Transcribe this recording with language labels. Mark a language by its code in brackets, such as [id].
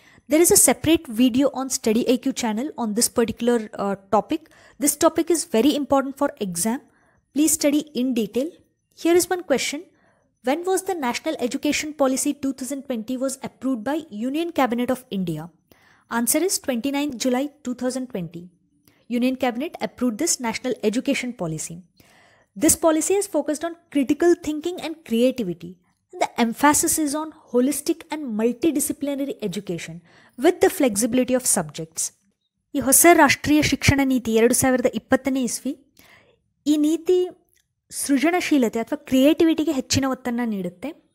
[en] There is a separate video on Study I Q channel on this particular topic. This topic is very important for exam, please study in detail. Here is one question: when was the national education policy 2020 was approved by union cabinet of India? Answer is 29th July 2020. Union cabinet approved this national education policy. This policy is focused on critical thinking and creativity. The emphasis is on holistic and multidisciplinary education with the flexibility of subjects. [kn] ಈ ಹೊಸ ರಾಷ್ಟ್ರೀಯ ಶಿಕ್ಷಣ ನೀತಿ 2020, ಈ ನೀತಿ ಸೃಜನಶೀಲತೆ ಅಥವಾ ಕ್ರಿಯೇಟಿವಿಟಿಗೆ ಹೆಚ್ಚಿನ ಒತ್ತನ್ನು ನೀಡುತ್ತೆ.